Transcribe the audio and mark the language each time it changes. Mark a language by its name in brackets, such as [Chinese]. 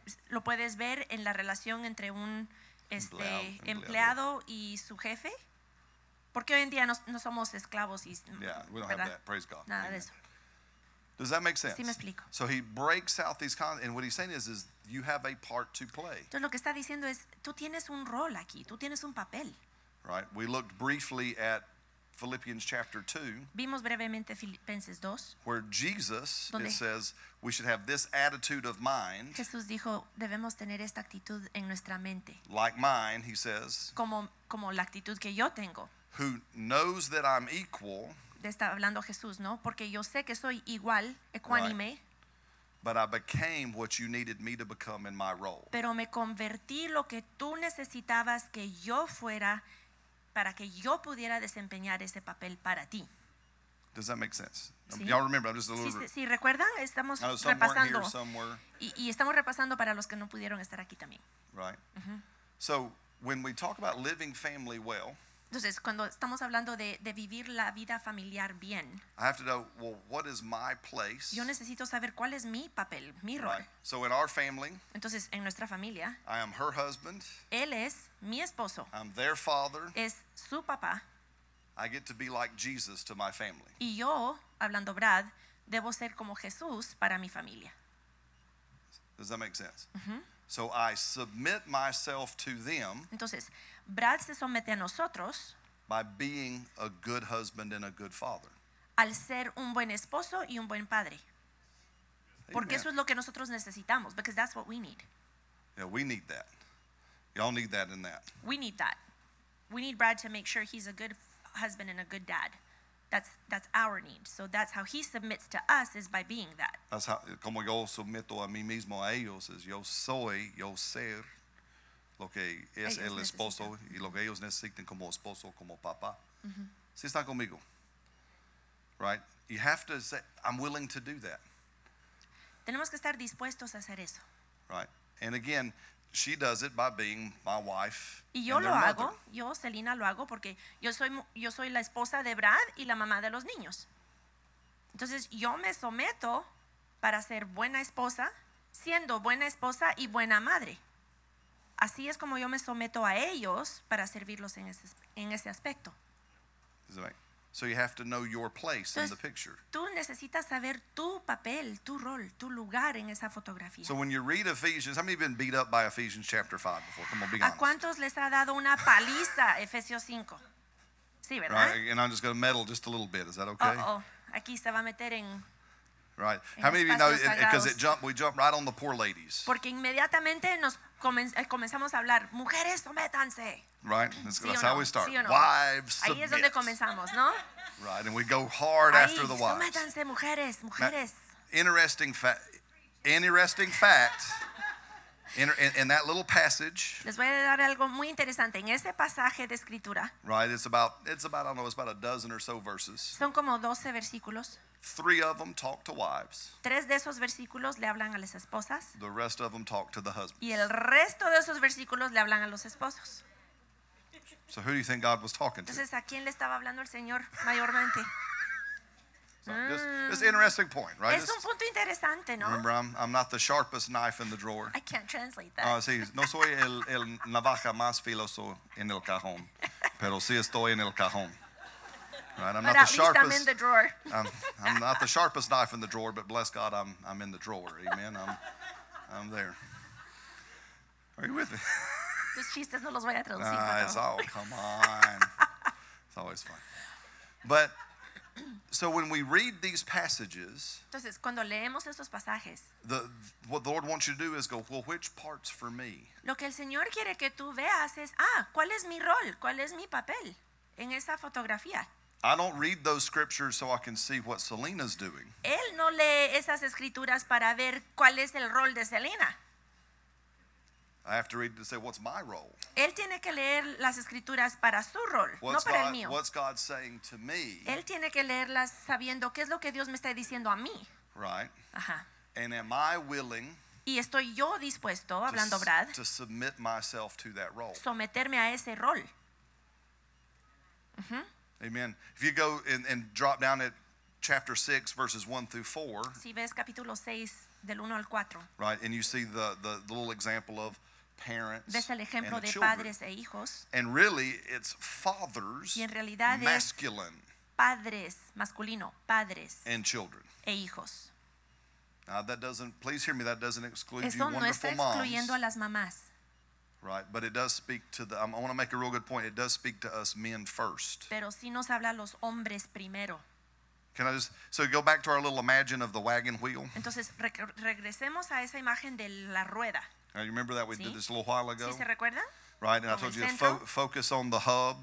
[Spanish] Lo puedes ver en la relación entre un empleado y su jefe. Porque hoy en día no somos esclavos y [English] yeah, we don't have that. Praise God. [Spanish] Nada de eso. [English] Does that make sense? [Spanish] Sí, me explico. [English] So he breaks out these cons, and what he's saying is you have a part to play. [Spanish] Entonces lo que está diciendo es tú tienes un rol aquí, tú tienes un papel. [English] Right. We looked briefly at Philippians chapter 2. [Spanish] Vimos brevemente Filipenses 2. [English] Where Jesus it says we should have this attitude of mind. [Spanish] Jesús dijo, debemos tener esta actitud en nuestra mente. [English] Like mine, he says. [Spanish] Como la actitud que yo tengo. [English] Who knows that I'm equal? [Spanish] Está hablando Jesús, ¿no? Porque yo sé que soy igual, ecuánime. [English] Right. But I became what you needed me to become in my role. [Spanish] Pero me convertí lo que tú necesitabas que yo fuera para que yo pudiera desempeñar ese papel para ti. [English] Does that make sense? [Spanish] ¿Sí? [English] Y'all remember? I'm just a little. [Spanish] Sí, recuerdan. Estamos [English] I know some [Spanish] repasando. [English] Here, some were. [Spanish] Y estamos repasando para los que no pudieron estar aquí también. [English] Right. Mm-hmm. So when we talk about living family well. [Spanish] Entonces, cuando estamos hablando de vivir la vida familiar bien, [English] I have to know, well, what is my place? [Spanish] Yo necesito saber cuál es mi papel, mi rol. [English] Right. So in our family, [Spanish] entonces, en nuestra familia, [English] I am her husband. [Spanish] Él es mi esposo. [English] I'm their father. [Spanish] Es su papá. [English] I get to be like Jesus to my family. [Spanish] Y yo, hablando Brad, debo ser como Jesús para mi familia. [English] Does that make sense? Mm-hmm. So I submit myself to them. [Spanish] Entonces, Brad se somete a nosotros. [English] By being a good husband and a good father. [Spanish] Al ser un buen esposo y un buen padre. [English] Amen. [Spanish] Porque eso es lo que nosotros necesitamos. [English] Because that's what we need. Yeah, we need that. Y'all need that in that. We need that. We need Brad to make sure he's a good husband and a good dad. That's our need. So that's how he submits to us is by being that. That's how [Spanish] como yo someto a mí mismo a ellos es yo soy yo ser lo que es el esposo y lo que ellos necesitan como esposo como papá. Mm-hmm. ¿Sí están conmigo? [English] Right? You have to say I'm willing to do that. [Spanish] Tenemos que estar dispuestos a hacer eso. [English] Right? And again, she does it by being my wife. [Spanish] Y yo lo hago, yo Selena lo hago porque yo soy la esposa de Brad y la mamá de los niños. Entonces yo me someto para ser buena esposa, siendo buena esposa y buena madre. Así es como yo me someto a ellos para servirlos en ese aspecto. [English] So you have to know your place. [Spanish] Entonces, [English] in the picture. [Spanish] Tú necesitas saber tu papel, tu rol, tu lugar en esa fotografía. [English] So when you read Ephesians, how many have been beat up by Ephesians chapter 5 before? Come on, be honest. [Spanish] ¿A cuántos les ha dado una paliza Efesios 5? Sí, ¿verdad? [English] Right, and I'm just going to meddle just a little bit. Is that okay? [Spanish] Uh-oh. Aquí se va a meter en... [English] Right. How many of you know, because we jump right on the poor ladies. [Spanish] Porque inmediatamente nos comenzamos a hablar, mujeres, sométanse. [English] Right, that's [Spanish] ¿sí [English] how [Spanish] no? [English] we start. [Spanish] ¿Sí no? [English] Wives, [Spanish] ahí [English] submit. [Spanish] Es donde comenzamos, ¿no? [English] Right, and we go hard [Spanish] ahí, [English] after the wives. [Spanish] Sométanse, mujeres. [English] Interesting fact. In that little passage, [Spanish] les voy a dar algo muy interesante en ese pasaje de escritura. [English] Right, it's about I don't know, it's about a dozen or so verses. [Spanish] Son como 12 versículos. [English] Three of them talk to wives. [Spanish] Tres de esos versículos le hablan a las esposas. [English] The rest of them talk to the husbands. [Spanish] Y el resto de esos versículos le hablan a los esposos. [English] So who do you think God was talking to? [Spanish] Entonces, ¿a quién le estaba hablando el Señor mayormente? [English] It's an interesting point, right? [Spanish] Es un punto interesante, ¿no? [English] Remember, I'm not the sharpest knife in the drawer. I can't translate that. [Spanish] Sí, no soy el navaja más filoso en el cajón, pero sí estoy en el cajón. [English] Right? I'm not the sharpest. I'm in the drawer. I'm not the sharpest knife in the drawer, but bless God, I'm in the drawer. Amen. I'm there. Are you with me? [Spanish] Tus chistes no los voy a traducir. [English] Ah, it's all, come on. It's always fun. But, so when we read these passages, [Spanish] entonces, cuando leemos estos pasajes, [English] what the Lord wants you to do is go, well, which part's for me? [Spanish] Lo que el Señor quiere que tú veas es, ¿cuál es mi rol? ¿Cuál es mi papel en esa fotografía? [English] I don't read those scriptures so I can see what Selena's doing. [Spanish] Él no lee esas escrituras para ver cuál es el rol de Selena. [English] I have to read to say, what's my role? [Spanish] Él tiene que leer las escrituras para su rol, [English] what's [Spanish] no para [English] God, [Spanish] el mío. [English] What's God saying to me? [Spanish] Él tiene que leerlas sabiendo qué es lo que Dios me está diciendo a mí. [English] Right. [Spanish] Ajá. [English] And am I willing? [Spanish] Y estoy yo dispuesto, hablando Brad, [English] to submit myself to that role. [Spanish] Someterme a ese rol. [English] Amen. If you go and drop down at chapter 6, verses 1 through 4. [Spanish] Si ves capítulo 6. Del 1 al 4. [English] Right, and you see the little example of parents. [Spanish] Ves el ejemplo [English] and [Spanish] de [English] children. [Spanish] Padres e hijos. [English] And really, it's fathers. [Spanish] Y en realidad [English] masculine. [Spanish] Es padres masculino, padres. [English] And children. [Spanish] E hijos. [English] Now that doesn't. Please hear me. That doesn't exclude [Spanish] Eso [English] you wonderful [Spanish] no está excluyendo [English] moms. [Spanish] A las mamás. [English] Right, but it does speak to the. I want to make a real good point. It does speak to us men first. [Spanish] Pero sí nos habla a los hombres primero. [English] Can I just so go back to our little imagine of the wagon wheel? [Spanish] Entonces regresemos a esa imagen de la rueda. [English] You remember that we did this a little while ago? [Spanish] ¿Sí se recuerdan? [English] Right, and [Spanish] como [English] I told you to focus on the hub.